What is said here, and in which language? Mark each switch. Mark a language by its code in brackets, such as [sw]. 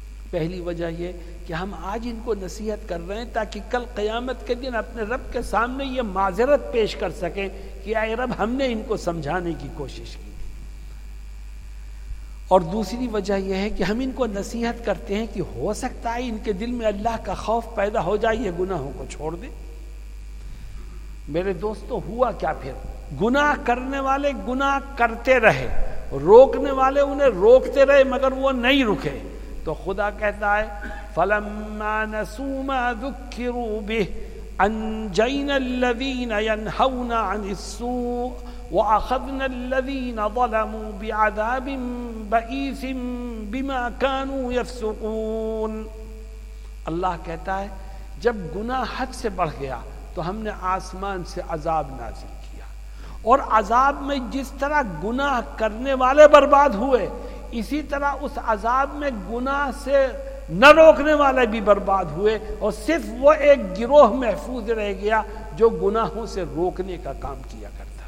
[ur] پہلی وجہ یہ کہ ہم آج ان کو نصیحت کر رہے ہیں تاکہ کل قیامت کے دن اپنے رب کے سامنے یہ معذرت پیش کر سکیں کہ اے رب ہم نے ان کو سمجھانے کی کوشش کی، اور دوسری وجہ یہ ہے کہ ہم ان کو نصیحت کرتے ہیں کہ ہو سکتا ہے ان کے دل میں اللہ کا خوف پیدا ہو جائے، یہ گناہوں کو چھوڑ دیں. میرے دوستوں، ہوا کیا پھر؟ گناہ کرنے والے گناہ کرتے رہے، روکنے والے انہیں روکتے رہے، مگر وہ نہیں رکے. تو خدا کہتا ہے [ar] فَلَمَّا نَسُوا مَا ذُكِّرُوا بِهِ انجینا الذین ینہون عن السوء واخذنا الذین ظلموا بعذاب بئیس بما كانوا يفسقون. [ur] اللہ کہتا ہے جب گناہ حد سے بڑھ گیا تو ہم نے آسمان سے عذاب نازل کیا, اور عذاب میں جس طرح گناہ کرنے والے برباد ہوئے اسی طرح اس عذاب میں گناہ سے نہ روکنے والے بھی برباد ہوئے, اور صرف وہ ایک گروہ محفوظ رہ گیا جو گناہوں سے روکنے کا کام کیا کرتا.